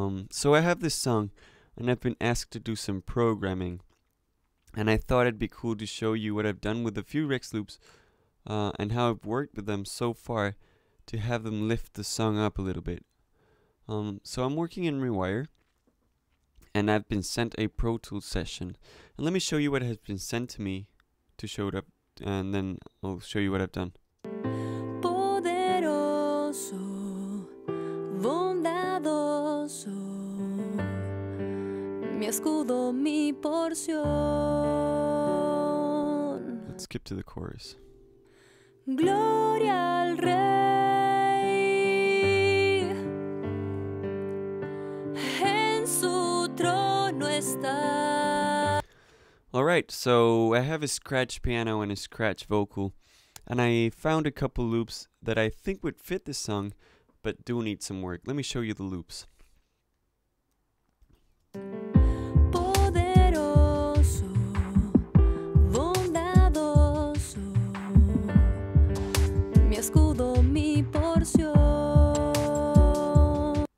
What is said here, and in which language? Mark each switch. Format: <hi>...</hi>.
<en>So I have this song, and I've been asked to do some programming, and I thought it'd be cool to show you what I've done with a few Rex loops, and how I've worked with them so far to have them lift the song up a little bit. So I'm working in Rewire, and I've been sent a Protools session, and let me show you what has been sent to me to show it up. And then I'll show you what I've done.</en> <es>Poderoso, bondadoso, mi escudo, mi porción.</es> <en>Let's skip to the chorus.</en> <es>Gloria al Rey en su trono está.</es> <en>Alright, so I have a scratch piano and a scratch vocal, and I found a couple loops that I think would fit this song, but do need some work. Let me show you the loops.</en> <es>Poderoso, bondadoso, mi escudo, mi porción.</es>